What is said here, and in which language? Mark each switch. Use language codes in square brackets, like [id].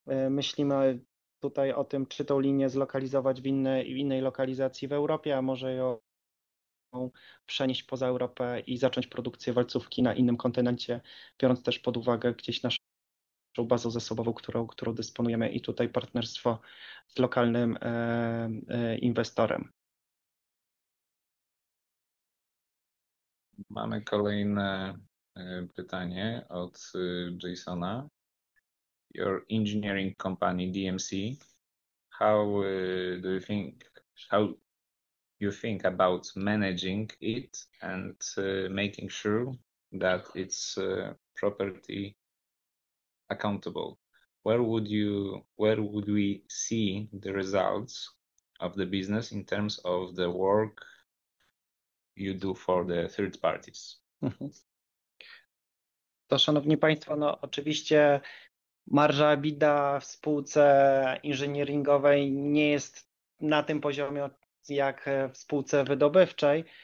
[pl] Myślimy tutaj o tym, czy tą linię zlokalizować w innej lokalizacji w Europie, a może ją przenieść poza Europę i zacząć produkcję walcówki na innym kontynencie, biorąc też pod uwagę gdzieś naszą bazę zasobową, którą dysponujemy, i tutaj partnerstwo z lokalnym inwestorem. Mamy kolejne pytanie od Jasona. [en] Your engineering company DMC, how you think about managing it and making sure that it's properly accountable? Where would we see the results of the business in terms of the work you do for the third parties? [pl] To szanowni Państwo, no oczywiście marża EBITDA w spółce inżynieringowej nie jest na tym poziomie jak w spółce wydobywczej.